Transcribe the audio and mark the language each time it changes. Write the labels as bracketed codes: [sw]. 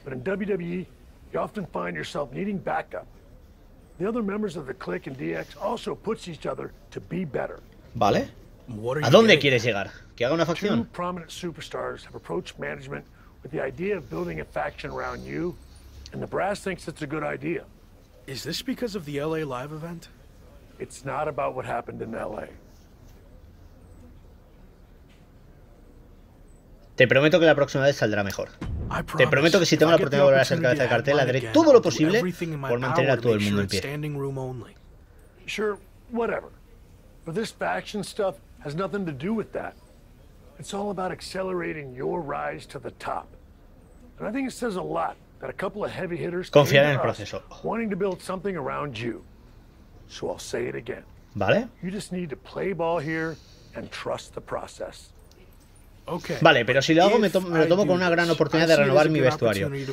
[es] Pero en [en] WWE, you often find yourself needing backup. The other members of the click and DX also push each other to be better. [es] Vale. ¿A dónde quieres llegar? ¿Que haga una facción? [en] Two prominent superstars have approached management but the idea of building a faction around you, and the brass thinks it's a good idea. Is this because of the LA Live event? It's not about what happened in LA. [es] Te prometo que la próxima vez saldrá mejor. Te prometo que si tengo la oportunidad de volver a ser cabeza de cartel, haré todo lo posible por mantener a todo el mundo en pie. [en] Sure, whatever. But this faction stuff has nothing to do with that. It's all about accelerating your rise to the top. And I think it says a lot that a couple of heavy hitters [es] confían en el proceso. [en] Wanting to build something around you. So I'll say it again. [es] ¿Vale? [en] You just need to play ball here and trust the process. [es] Vale, pero si lo hago, me lo tomo con una gran oportunidad de renovar mi vestuario.